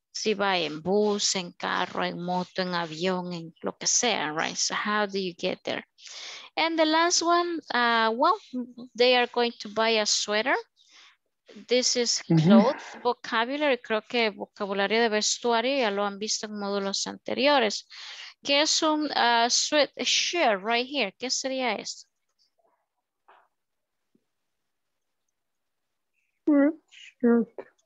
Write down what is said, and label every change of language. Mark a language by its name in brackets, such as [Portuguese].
[Spanish] Si va en bus, en carro, en moto, en avión, en lo que sea, right? [English] So how do you get there? And the last one, well, they are going to buy a sweater. This is cloth vocabulary. [Spanish] Creo que vocabulario de vestuario ya lo han visto en módulos anteriores. ¿Qué es un sweatshirt [English] right here? [Spanish] ¿Qué sería esto? [English] Sweatshirt.